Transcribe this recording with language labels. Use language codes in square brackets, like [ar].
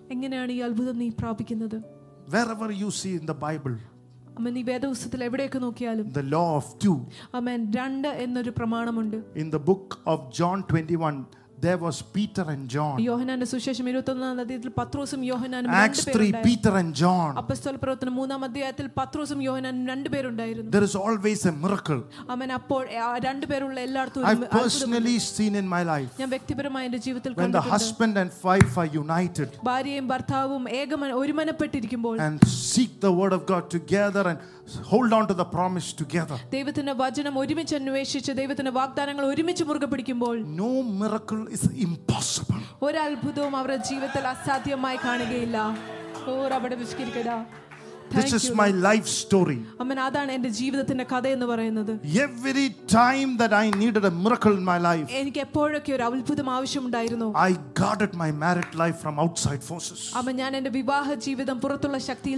[ml] എങ്ങനെയാണ് ഈ അത്ഭുതം നീ പ്രാപിക്കുന്നത്? [en] Wherever you see in the Bible, [ml] അമ്മ നീ വേദപുസ്തകത്തിൽ എവിടെയൊക്കെ നോക്കിയാലും, [en] the law of two, [ml] അമ്മ രണ്ട് എന്നൊരു പ്രമാണമുണ്ട്. [en] In the book of John 21, there was Peter and John. [ml] യോഹന്നാന്റെ സുവിശേഷം 21-ാം അധ്യായത്തിൽ പത്രോസും യോഹന്നാനും രണ്ട് പേരുണ്ട്. [en] Acts 3, Peter and John. [ml] അപ്പോസ്തല പ്രവർത്തനം 3-ാം അധ്യായത്തിൽ പത്രോസും യോഹന്നാനും രണ്ട് പേരുണ്ടായിരുന്നു. [en] There is always a miracle. [ml] അമ്മ അപ്പോൾ രണ്ട് പേരുള്ള എല്ലാർത്തും ഒരു അത്ഭുതം. [en] I personally seen in my life. [ml] ഞാൻ വ്യക്തിപരമായി എൻ്റെ ജീവിതത്തിൽ കണ്ടിട്ടുണ്ട്. [en] When the husband and wife are united. [ml] ഭാര്യയും ഭർത്താവും ഏകമന ഒരുമനപ്പെട്ടിരിക്കുമ്പോൾ. [en] And seek the word of God together and hold on to the promise together. [ml] ദൈവത്തിന്റെ വചനം ഒരുമിച്ച് അന്വേഷിച്ച് ദൈവത്തിന്റെ വാഗ്ദാനങ്ങൾ ഒരുമിച്ച് മുറുകെ പിടിക്കുമ്പോൾ. [en] No miracle is impossible. [ml] ഒരു അത്ഭുതവും അവരുടെ ജീവിതത്തിൽ അസാധ്യമായി കാണുകയില്ല. ഓരവിടെ വിസ്കരിക്കടാ. [en] This is my life story. [ml] അമ്മേ അതാണ് എൻ്റെ ജീവിതത്തിന്റെ കഥ എന്ന് പറയുന്നത്. [en] Every time that I needed a miracle in my life. [ml] എനിക്ക് എപ്പോഴൊക്കെ ഒരു അത്ഭുതം ആവശ്യമുണ്ടായിരുന്നു. [en] I guarded my married life from outside forces. [ml] അമ്മേ ഞാൻ എൻ്റെ വിവാഹ ജീവിതം പുറത്തുള്ള ശക്തിയിൽ